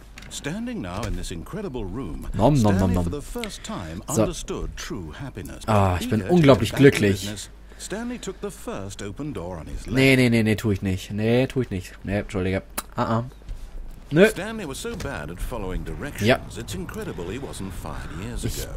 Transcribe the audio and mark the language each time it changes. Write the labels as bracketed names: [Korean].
[English] Standing now in this incredible room. Nom nom nom nom. So. [German] Ah, ich bin unglaublich glücklich. [English] Stanley took the first open door on his left. [German] Nee, tu ich nicht. Nee, tu ich nicht. Nee, entschuldige. Nö. [English] Stanley was so bad at following directions. [German] Ja. [English] It's incredible he wasn't fired years ago.